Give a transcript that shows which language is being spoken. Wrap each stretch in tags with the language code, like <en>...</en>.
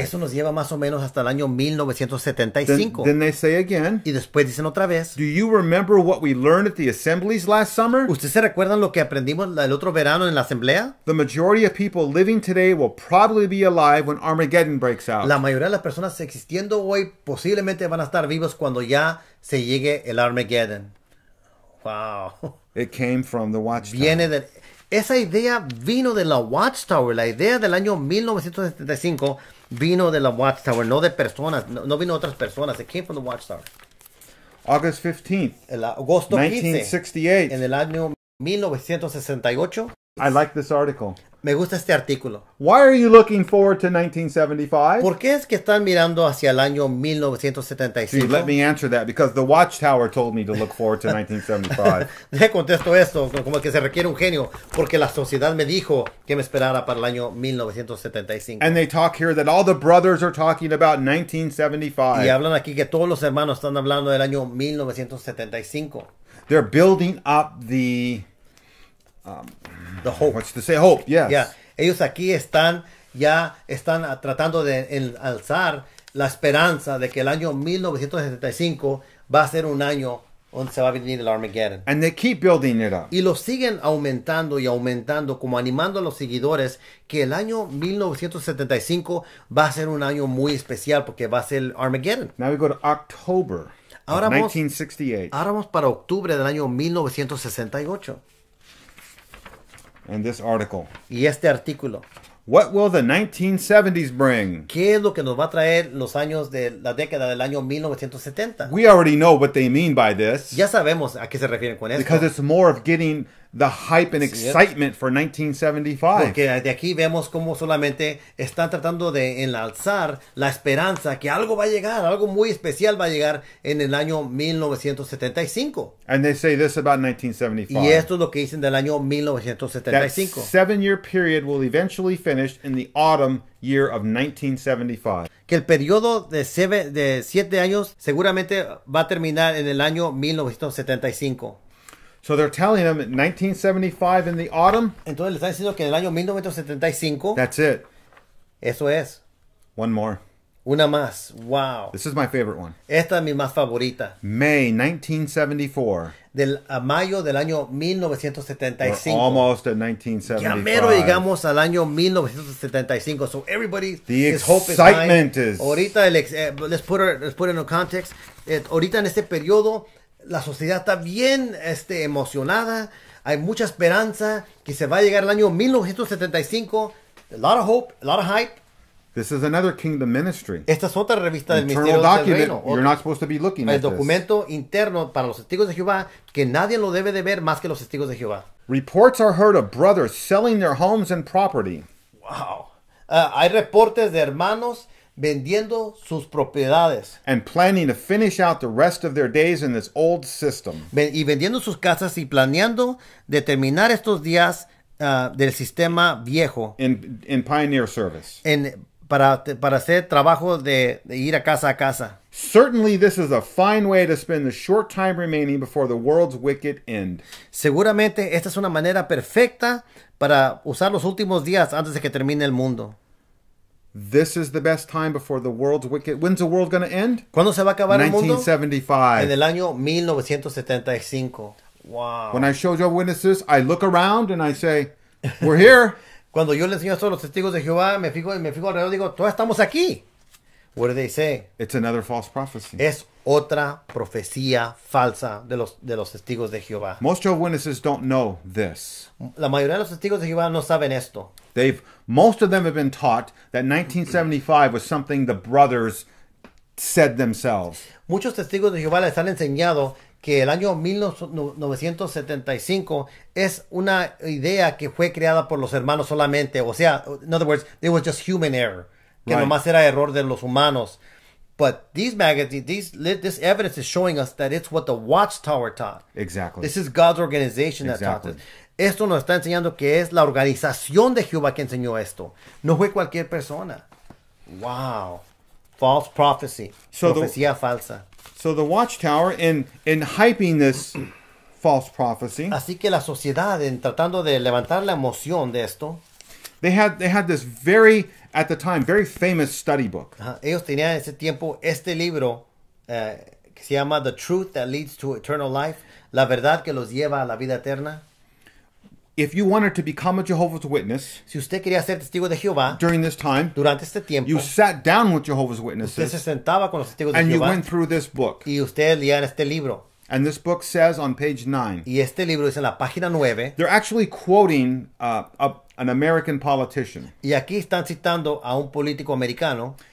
<es>Eso nos lleva más o menos hasta el año 1975.</es> <en>Then they say again.</en> <es>Y después dicen otra vez.</es> <en>Do you remember what we learned at the assemblies last summer?</en> <es>¿Ustedes se recuerdan lo que aprendimos el otro verano en la asamblea?</es> <en>The majority of people living today will probably be alive when Armageddon breaks out.</en> <es>La mayoría de las personas existiendo hoy posiblemente van a estar vivos cuando ya se llegue el Armageddon.</es> <en>Wow. It came from the Watchtower.</en> <es>Viene de esa idea vino de la Watchtower. La idea del año 1975 vino de la Watchtower, no de personas. No vino de otras personas.</es> <en>It came from the Watchtower. August 15th.</en> <es>El agosto 15, 1968. En el año 1968.</es> <en>I like this article.</en> <es>Me gusta este artículo.</es> <en>Why are you looking forward to 1975?</en> <es>¿Por qué es que están mirando hacia el año 1975?</es> <en>See, let me answer that because the Watchtower told me to look forward to 1975.</en> <es>Le contesto esto como que se requiere un genio porque la sociedad me dijo que me esperara para el año 1975.</es> <en>And they talk here that all the brothers are talking about 1975.</en> <es>Y hablan aquí que todos los hermanos están hablando del año 1975.</es> <en>They're building up the hope. What's to say? Hope, yes. Yeah.</en> <es>Ellos aquí están, ya están tratando de alzar la esperanza de que el año 1975 va a ser un año donde se va a venir el Armageddon.</es> <en>And they keep building it up.</en> <es>Y lo siguen aumentando y aumentando, como animando a los seguidores, que el año 1975 va a ser un año muy especial porque va a ser el Armageddon.</es> <en>Now we go to October.</en> <es>Ahora vamos, 1968. Ahora vamos para octubre del año 1968.</es> <en>And this article.</en> <es>Y este artículo.</es> <en>What will the 1970s bring?</en> <es>¿Qué es lo que nos va a traer los años de la década del año 1970?</es> <en>We already know what they mean by this.</en> <es>Ya sabemos a qué se refieren con esto.</es> <en>Because it's more of getting the hype and excitement for 1975.</en> <es>Porque de aquí vemos cómo solamente están tratando de enalzar la esperanza que algo va a llegar, algo muy especial va a llegar en el año 1975.</es> <en>And they say this about 1975.</en> <es>Y esto es lo que dicen del año 1975.</es> <en>That 7-year period will eventually finish in the autumn year of 1975.</en> <es>Que el periodo de 7 años seguramente va a terminar en el año 1975.</es> <en>So they're telling them in 1975 in the autumn.</en> <es>Entonces le están diciendo que en el año 1975.</es> <en>That's it.</en> <es>Eso es.</es> <en>One more.</en> <es>Una más. Wow.</es> <en>This is my favorite one.</en> <es>Esta es mi más favorita.</es> <en>May 1974.</en> <es>Del a mayo del año 1975.</es> <en>We're almost at 1975.</en> <es>Ya mero llegamos al año 1975.</es> <en>So everybody, the excitement is.</en> <es>Ahorita</es> <en>let's put it in a context.</en> <es>Ahorita en este periodo, la sociedad está bien emocionada. Hay mucha esperanza que se va a llegar el año 1975.</es> <en>A lot of hope, a lot of hype. This is another kingdom ministry.</en> <es>Esta es otra revista del ministerio del reino.</es> <en>You're not supposed to be looking at this.</en> <es>El documento interno para los testigos de Jehová que nadie lo debe de ver más que los testigos de Jehová.</es> <en>Reports are heard of brothers selling their homes and property.</en> <es>Wow. Hay reportes de hermanos vendiendo sus propiedades.</es> <en>And planning to finish out the rest of their days in this old system.</en> <es>Y vendiendo sus casas y planeando de terminar estos días del sistema viejo.</es> <en>In pioneer service.</en> <es>Para hacer trabajo de ir a casa a casa.</es> <en>Certainly this is a fine way to spend the short time remaining before the world's wicked end.</en> <es>Seguramente esta es una manera perfecta para usar los últimos días antes de que termine el mundo.</es> <en>This is the best time before the world's wicked... When's the world going to end?</en> <es>¿Cuándo se va a acabar 1975. El mundo? En el año 1975. Wow.</es> <en>When I show Jehovah's Witnesses, I look around and I say, we're here.</en> <es>Cuando yo le enseño esto a los testigos de Jehová, me fijo alrededor y digo, todos estamos aquí.</es> <en>What do they say? It's another false prophecy.</en> <es>Es otra profecía falsa de los testigos de Jehová.</es> <en>Most Jehovah's Witnesses don't know this.</en> <es>La mayoría de los testigos de Jehová no saben esto.</es> <en>Most of them have been taught that 1975 was something the brothers said themselves.</en> <es>Muchos testigos de Jehová les han enseñado que el año 1975 es una idea que fue creada por los hermanos solamente. O sea,</es> <en>in other words, it was just human error.</en> <es>Que</es> <en>right.</en> <es>Nomás era error de los humanos.</es> <en>But these magazines, this evidence is showing us that it's what the Watchtower taught. Exactly. This is God's organization that taught this.</en> <es>Esto nos está enseñando que es la organización de Jehová que enseñó esto. No fue cualquier persona. Wow.</es> <en>False prophecy.</en> <es>Profecía falsa.</es> <en>So the Watchtower in hyping this false prophecy.</en> <es>Así que la sociedad en tratando de levantar la emoción de esto.</es> <en>They had this very, at the time, very famous study book.</en> <es>Ellos tenían en ese tiempo este libro que se llama The Truth That Leads to Eternal Life. La verdad que los lleva a la vida eterna.</es> <en>If you wanted to become a Jehovah's Witness,</en> <es>si usted quería ser testigo de Jehová,</es> <en>during this time,</en> <es>durante este tiempo,</es> <en>you sat down with Jehovah's Witnesses,</en> <es>usted se sentaba con los testigos de Jehová,</es> <en>and you went through this book.</en> <es>Y usted leía este libro.</es> <en>And this book says on page 9,</en> <es>y este libro dice en la página 9,</es> <en>they're actually quoting an American politician.</en> <es>Y aquí están citando a un político americano.</es>